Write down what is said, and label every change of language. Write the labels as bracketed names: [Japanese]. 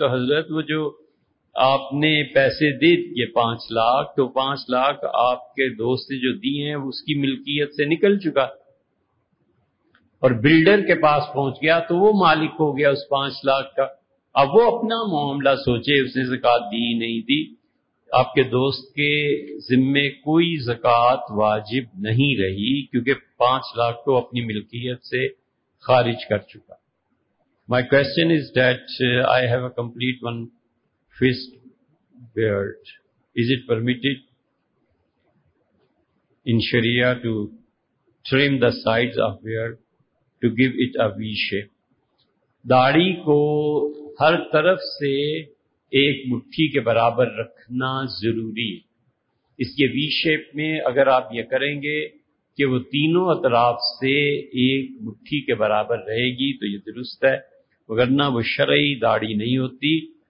[Urdu] تو حضرت وہ جو آپ نے پیسے دے دیے 5 لاکھ, تو 5 لاکھ آپ کے دوست جو دیے ہیں اس کی ملکیت سے نکل چکا اور بلڈر کے پاس پہنچ گیا, تو وہ مالک ہو گیا اس 5 لاکھ کا. اب وہ اپنا معاملہ سوچے, اس نے زکات دی نہیں دی. آپ کے دوست کے ذمے کوئی زکات واجب نہیں رہی کیونکہ 5 لاکھ تو اپنی ملکیت سے خارج کر چکا. [English] My question is that I have a complete one fist beard. Is it permitted in Sharia to trim the sides of beard to give it a V shape? [Urdu] داڑھی کو ہر طرف سے ایک مٹھی کے برابر رکھنا ضروری ہے. اس کے وی شیپ میں اگر آپ یہ کریں گے کہ وہ تینوں اطراف سے ایک مٹھی کے برابر رہے گی تو یہ درست ہے, ورنہ وہ شرعی داڑھی نہیں ہوتی.